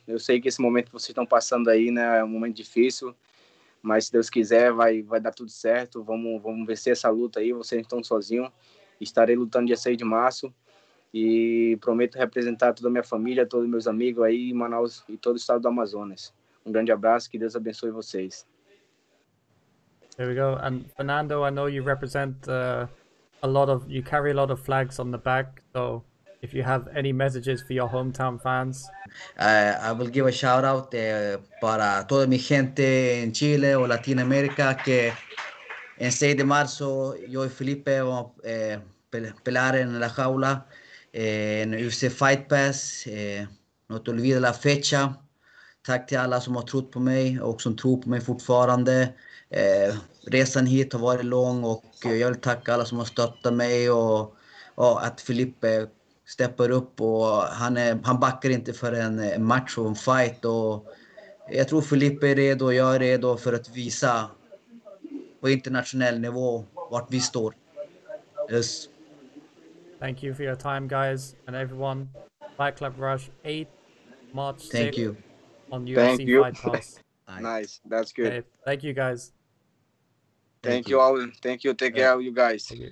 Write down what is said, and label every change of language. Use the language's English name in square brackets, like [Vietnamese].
[Portuguese] Eu sei que esse momento que vocês estão passando aí, né, é um momento difícil, mas se Deus quiser, vai dar tudo certo. Vamos vencer essa luta aí, vocês estão sozinhos. Estarei lutando dia 6 de março e prometo representar toda a minha família, todos os meus amigos aí em Manaus e todo o estado do Amazonas. Um grande abraço, que Deus abençoe vocês. [English] There we go. And Fernando, I know you represent you carry a lot of flags on the back, so if you have any messages for your hometown fans. I will give a shout out [Spanish] para toda mi gente en Chile o Latinoamérica que en 6 de marzo yo y Felipe vamos pelear en la jaula en UFC Fight Pass. No te olvides la fecha. [Swedish] Tack till alla som har trott på mig och som tror på mig fortfarande. Resan hit har varit lång och jag vill tacka alla som har stöttat mig och att Felipe steppar upp och han backar inte för en match och en fight. Och jag tror Felipe är redo och jag är redo för att visa på internationell nivå vart vi står. [English] Yes. Thank you for your time guys and everyone. Fight Club Rush 8 March 6. Thank you. On UFC Fight Pass. Nice, that's good. Okay. Thank you guys. Thank you all. Thank you. Take care of you guys.